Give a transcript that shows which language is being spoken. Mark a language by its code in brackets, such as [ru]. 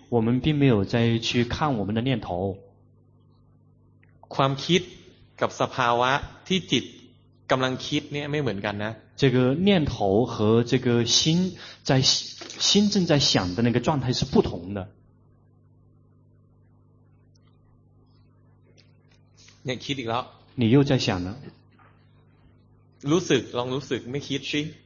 [zh] 我们并没有在去看我们的念头 [th] ความคิดกับสภาวะที่จิตกำลังคิดเนี่ยไม่เหมือนกันนะ [zh] 这个念头和这个心在心正在想的那个状态是不同的 [th] เนี่ยคิดอีกแล้ว [zh] 你又在想了 [th] รู้สึกลองรู้สึกไม่คิดสิ